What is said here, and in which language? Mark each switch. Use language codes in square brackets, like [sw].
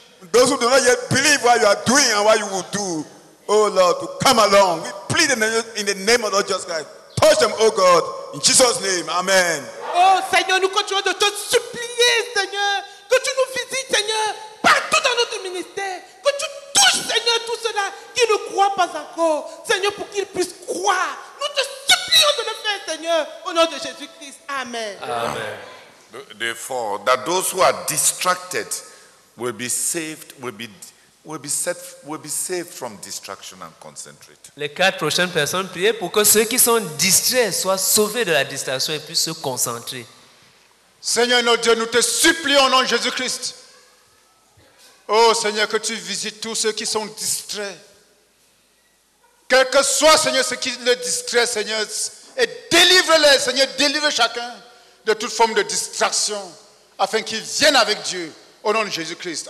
[en] Those who do not yet believe what you are doing and what you will do, oh Lord, to come along. We plead in the name of Lord Jesus Christ. Touch them, oh God, in Jesus' name, amen. [fr] Oh, Seigneur, nous continuons de te supplier, Seigneur, que tu nous visites, Seigneur, partout dans notre ministère, que tu Seigneur, tout cela qui ne croit pas encore, Seigneur, pour qu'ils puissent croire. Nous te supplions de le faire, Seigneur, au nom de Jésus-Christ. Amen. Amen. [en] The four, that those who are distracted will be saved, will be saved from distraction and concentrate. [fr] Les quatre prochaines personnes priez pour que ceux qui sont distraits soient sauvés de la distraction et puissent se concentrer. Seigneur, notre Dieu, nous te supplions au nom de Jésus-Christ. Oh Seigneur, que tu visites tous ceux qui sont distraits. Quel que soit, Seigneur, ce qui les distrait, Seigneur, et délivre-les, Seigneur, délivre chacun de toute forme de distraction, afin qu'ils viennent avec Dieu, au nom de Jésus-Christ.